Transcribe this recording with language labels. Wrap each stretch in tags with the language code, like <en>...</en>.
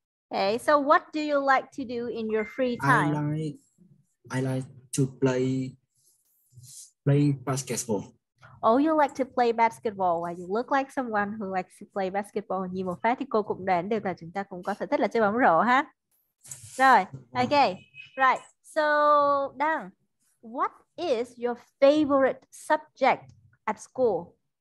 <en>Okay, so what do you like to do in your free time? I like to play basketball. Oh, you like to play basketball. Well, you look like someone who likes to play basketball.</en> <vi>Nhìn một phát thì cô cũng đoán được là chúng ta cũng có sở thích là chơi bóng rổ ha. Rồi, ok. Right.</vi> <en>So, Dan, what is your favorite subject at school?</en>